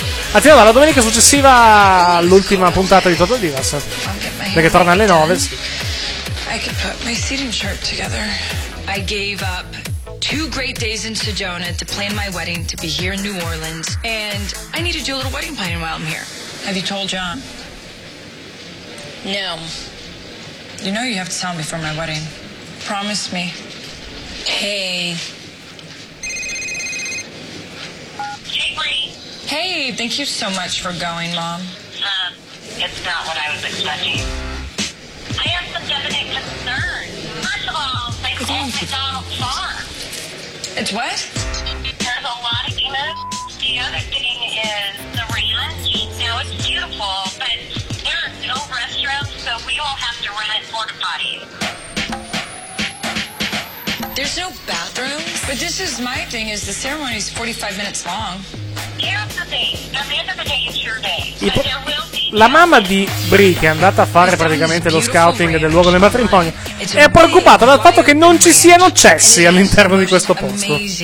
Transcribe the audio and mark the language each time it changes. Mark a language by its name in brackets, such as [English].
[Italian] Anzi, no, la domenica successiva all'ultima puntata di Total Divas. Perché torna alle 9. [English] I could put my seating chart together. I gave up 2 great days in Sedona to plan my wedding to be here in New Orleans, and I need to do a little wedding planning while I'm here. Have you told John? No. You know you have to tell me before my wedding. Promise me. Hey. Hey, thank you so much for going, Mom. It's not what I was expecting. I have some definite concerns. First of all, I called McDonald's farm. It's what? There's a lot of emails. The other thing is the ranch. Now, it's beautiful, but there are no restrooms, so we all have to rent porta potties. There's no bathrooms? But this is my thing, is the ceremony is 45 minutes long. [Italian] La mamma di Brie, che è andata a fare praticamente lo scouting del luogo del matrimonio, è preoccupata dal fatto che non ci siano cessi all'interno di questo posto.